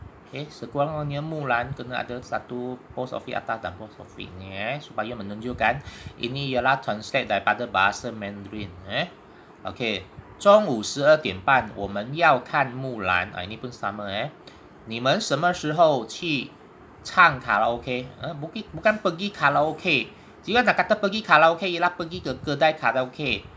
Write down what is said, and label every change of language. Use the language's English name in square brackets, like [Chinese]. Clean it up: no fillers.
[Malay] Okay, sekurang-kurangnya Mulan kena ada satu post office atas dan post office ni supaya menunjukkan ini ialah translate daripada bahasa Mandarin. [Chinese] Okay, 中午12点半, 我们要看木兰. [Malay] Ini pun sama [Chinese] 你们什么时候去唱卡拉OK? [Malay] Bukan pergi karaoke. Jika nak kata pergi karaoke ialah pergi ke kedai karaoke.